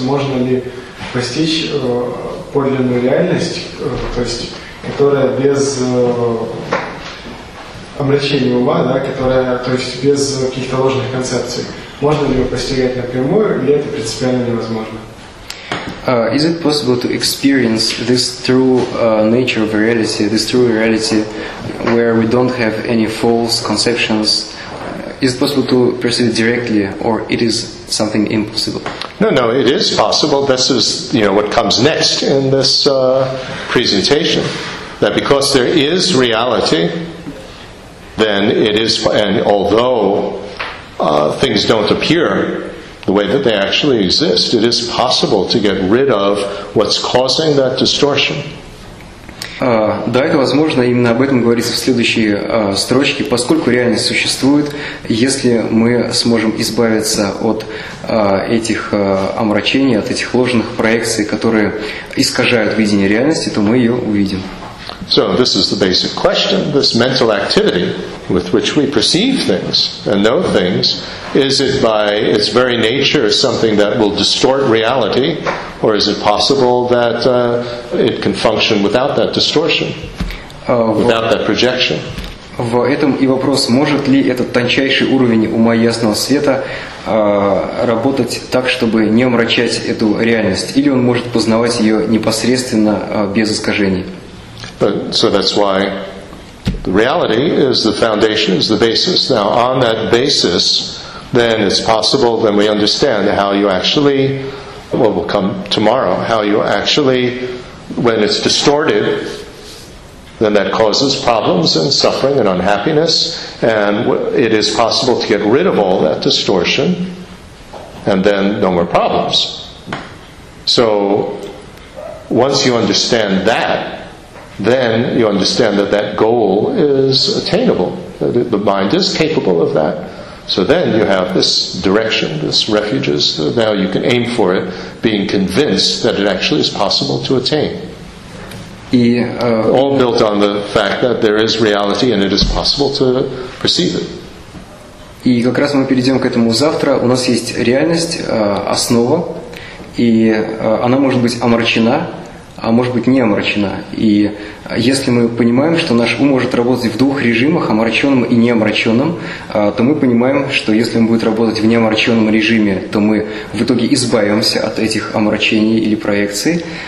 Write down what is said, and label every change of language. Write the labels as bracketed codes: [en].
[ru] Можно ли постичь подлинную реальность, то есть, которая без омрачение ума, да, которая, то есть без каких-то ложных концепций. Можно ли его постигать напрямую, или это принципиально невозможно? [en] Is it possible to experience this true nature of reality, this true reality, where we don't have any false conceptions? Is it possible to perceive it directly, or it is something impossible? No, it is possible. This is, you know, what comes next in this presentation, that because there is reality, then it is, and although things don't appear the way that they actually exist, it is possible to get rid of what's causing that distortion. [ru] Да, это возможно, именно об этом говорится в следующей строчке. Поскольку реальность существует, если мы сможем избавиться от этих омрачений, от этих ложных проекций, которые искажают видение реальности, то мы ее увидим. [en] So this is the basic question. This mental activity with which we perceive things and know things, is it by its very nature something that will distort reality, or is it possible that it can function without that distortion, without that projection? [ru] В этом и вопрос, может ли этот тончайший уровень ума ясного света работать так, чтобы не омрачать эту реальность, или он может познавать ее непосредственно без искажений? [en] So that's why the reality is the foundation, is the basis. Now, on that basis, then it's possible, then we understand how you actually, well, we'll come tomorrow, how you actually, when it's distorted, then that causes problems and suffering and unhappiness, and it is possible to get rid of all that distortion, and then no more problems. So once you understand that, then you understand that that goal is attainable, that the mind is capable of that. So then you have this direction, this refuge, so now you can aim for it, being convinced that it actually is possible to attain. All built on the fact that there is reality and it is possible to perceive it. [ru] И как раз мы перейдем к этому завтра. У нас есть реальность, основа, и она может быть омрачена, а может быть не омрачена. И если мы понимаем, что наш ум может работать в двух режимах, омраченном и неомраченном, то мы понимаем, что если он будет работать в неомраченном режиме, то мы в итоге избавимся от этих омрачений или проекций.